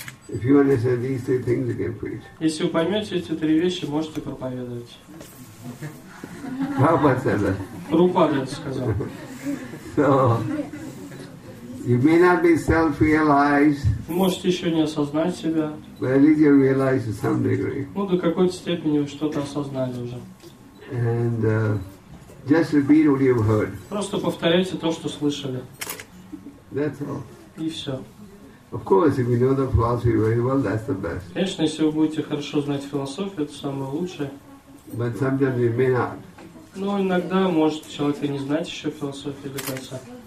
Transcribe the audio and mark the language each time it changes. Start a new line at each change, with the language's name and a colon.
English: If you understand these three things, you can preach.
Russian: Если вы поймете эти три вещи, можете проповедовать.
English: Prabhupada said that.
Russian: Prabhupada это сказал.
English: So, you may not be self-realized.
Russian: Можете еще не осознать себя.
English: But at least you realize to some degree.
Russian: Ну, до какой-то степени вы что-то осознали уже.
English: And just repeat what you've heard.
Russian: Просто повторяйте то, что слышали.
English: That's all.
Russian: И все.
English: Of course, if you know the philosophy very well, that's the best.
Russian: Конечно, если вы будете хорошо знать философию, это самое лучшее.
English: But sometimes you may not.
Russian: Ну, иногда может человек и не знать еще философию до конца.